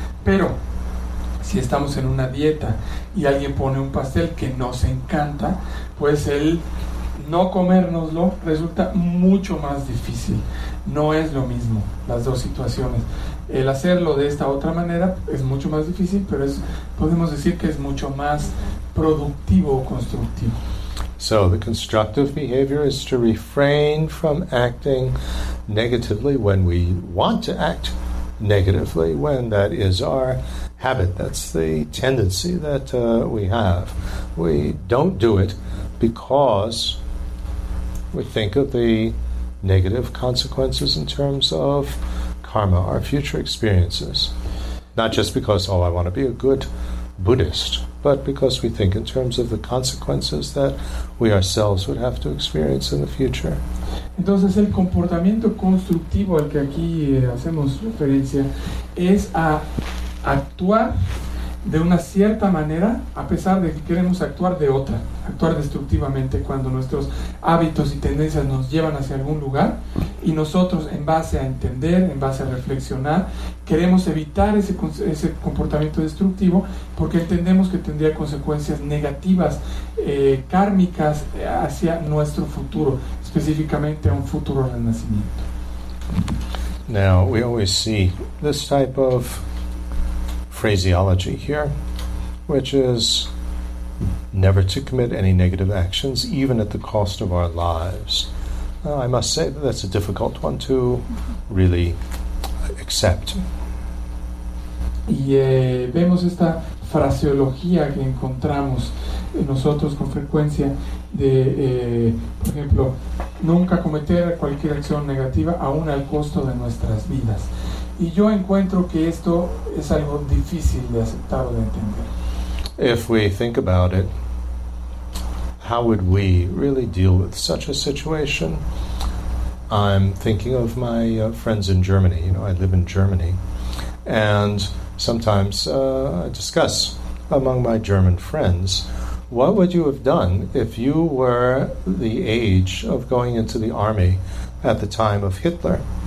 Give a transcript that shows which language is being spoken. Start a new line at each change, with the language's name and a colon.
Spanish: Pero si estamos en una dieta y alguien pone un pastel que nos encanta, pues el no comérnoslo resulta mucho más difícil. No es lo mismo las dos situaciones. El hacerlo de esta otra manera es mucho más difícil, pero podemos decir que es mucho más productivo o constructivo.
English: So the constructive behavior is to refrain from acting negatively when we want to act negatively, when that is our habit, that's the tendency that we have. We don't do it because we think of the negative consequences in terms of karma, our future experiences. Not just because, oh, I want to be a good Buddhist, but because we think in terms of the consequences that we ourselves would have to experience in the future.
Spanish: Entonces, el comportamiento constructivo al que aquí hacemos referencia es a actuar de una cierta manera a pesar de que queremos actuar de otra, actuar destructivamente cuando nuestros hábitos y tendencias nos llevan hacia algún lugar, y nosotros, en base a entender, en base a reflexionar, queremos evitar ese comportamiento destructivo porque entendemos que tendría consecuencias negativas kármicas hacia nuestro futuro, específicamente a un futuro renacimiento.
English: Now, we always see this type of phraseology here, which is never to commit any negative actions, even at the cost of our lives. I must say that that's a difficult one to really accept.
Spanish: Y vemos esta fraseología que encontramos en nosotros con frecuencia de, por ejemplo, nunca cometer cualquier acción negativa aún al costo de nuestras vidas. Y yo encuentro que esto es algo difícil de aceptar o de entender.
English: If we think about it, how would we really deal with such a situation? I'm thinking of my friends in Germany. You know, I live in Germany. And sometimes I discuss among my German friends, what would you have done if you were the age of going into the army at the time of Hitler?